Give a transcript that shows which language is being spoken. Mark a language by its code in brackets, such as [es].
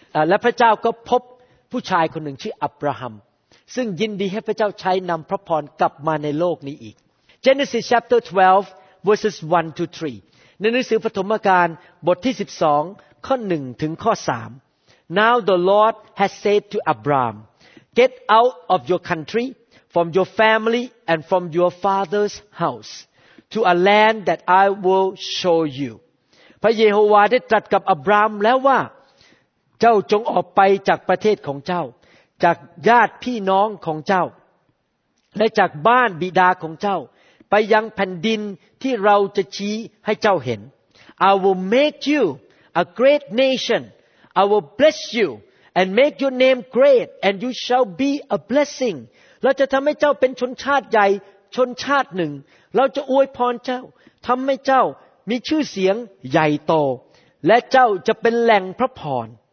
[th] และพระเจ้าก็พบผู้ชายคนหนึ่งชื่ออับราฮัมซึ่งยินดีให้พระเจ้าใช้นำพระพรกลับมาในโลกนี้อีก [en] Genesis chapter 12 verses 1 to 3. [th] ในหนังสือปฐมกาลบทที่12ข้อ1ถึงข้อ3. [en] Now the Lord has said to Abraham, Get out of your country, from your family, and from your father's house, to a land that I will show you. [th] พระเยโฮวาได้ตรัสกับอับรามแล้วว่าเจ้าจงออกไปจากประเทศของเจ้าจากญาติพี่น้องของเจ้า และจากบ้านบิดาของเจ้าไปยังแผ่นดินที่เราจะชี้ให้เจ้าเห็น [en] I will make you a great nation I will bless you and make your name great and you shall be a blessing [th] เราจะทำให้เจ้าเป็นชนชาติใหญ่ชนชาติหนึ่งเราจะอวยพรเจ้าทำให้เจ้ามีชื่อเสียงใหญ่โตและเจ้าจะเป็นแหล่งพระพร